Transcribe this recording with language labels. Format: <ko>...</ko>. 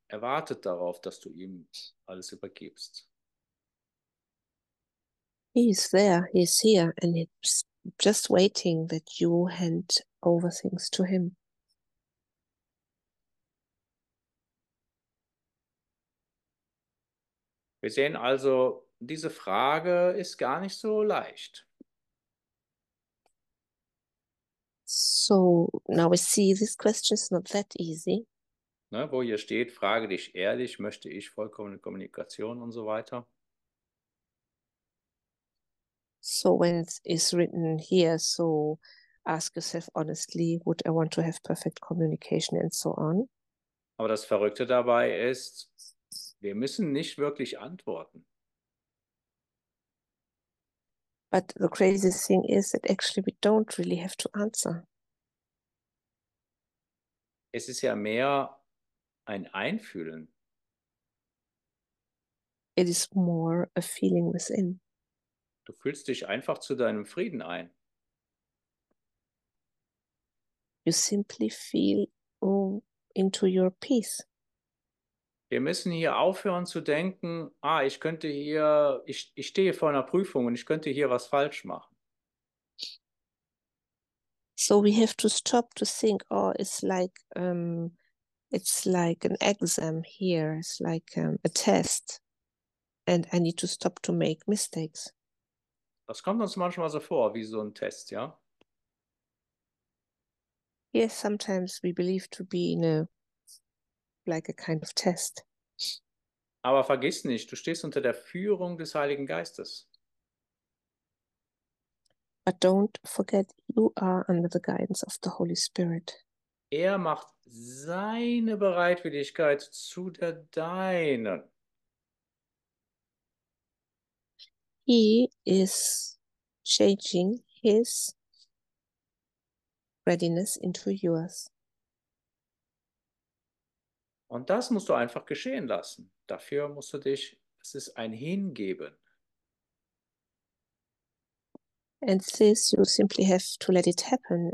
<de>Er wartet darauf, dass du ihm alles übergibst.</de> <en>He is there, he is here, and he's just waiting that you hand over things to him.</en> <de>Wir sehen also, diese Frage ist gar nicht so leicht.</de> <en>So, now we see this question is not that easy.</en> <de>Ne, wo hier steht, frage dich ehrlich, möchte ich vollkommene Kommunikation und so weiter.</de> <en>So when it is written here, so ask yourself honestly, would I want to have perfect communication and so on?</en> <de>Aber das Verrückte dabei ist, wir müssen nicht wirklich antworten.</de> <en>But the crazy thing is that actually we don't really have to answer.</en> <de>Es ist ja mehr ein Einfühlen.</de> <en>It is more a feeling within.</en> <de>Du fühlst dich einfach zu deinem Frieden ein.</de> <en>You simply feel into your peace.</en> <de>Wir müssen hier aufhören zu denken, ah, ich könnte hier, ich stehe vor einer Prüfung und ich könnte hier was falsch machen.</de> <en>So we have to stop to think, oh, it's like an exam here, it's like a test, and I need to stop to make mistakes.</en> <de>Das kommt uns manchmal so vor, wie so ein Test, ja?</de> <en>Yes, sometimes we believe to be in a, like a kind of test.</en> <de>Aber vergiss nicht, du stehst unter der Führung des Heiligen Geistes.</de> <en>But don't forget, you are under the guidance of the Holy Spirit.</en> <de>Er macht seine Bereitwilligkeit zu der deinen.</de> <en>He is changing his readiness into yours.</en> <de>Und das musst du einfach geschehen lassen. Dafür musst du dich, es ist ein Hingeben.</de> <en>And this, you simply have to let it happen.</en>